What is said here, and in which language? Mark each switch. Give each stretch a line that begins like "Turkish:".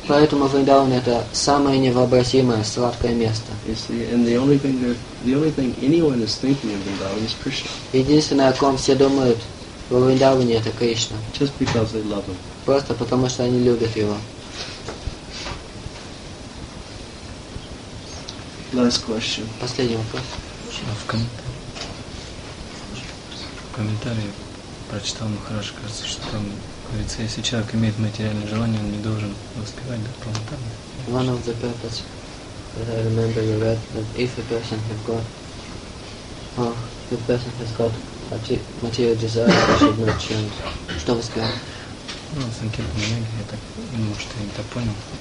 Russian: Поэтому Вриндаван это самое невообразимое сладкое место.
English: You see, and the only thing anyone is thinking of Vrindavan is Krishna.
Russian: Единственное, о ком все думают в Вриндаване, это Кришна.
English: Just because they love him.
Russian: Просто потому что они любят его.
English: Last question.
Russian: Последний вопрос. В комментарии прочитал Махараш, кажется, что там говорится, если человек имеет материальное желание, он не должен воспевать дополнительно.
English: One of the purpose that I remember you read that if a person has got a material desire, he should not chant.
Russian: Что вы сказали? Ну, Санкирта Маньяги, я так, может, я не так понял.